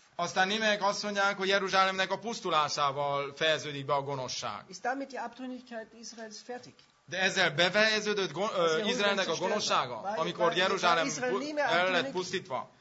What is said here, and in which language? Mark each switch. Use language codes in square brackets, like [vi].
[hu] Aztán némelyek azt mondják, hogy Jeruzsálemnek a pusztulásával fejeződik be a gonoszság. [de] Ist damit die Abtrünnigkeit Israels fertig? [hu] De ezzel befejeződött Izraelnek a gonoszsága, amikor Jeruzsálem el lett pusztítva.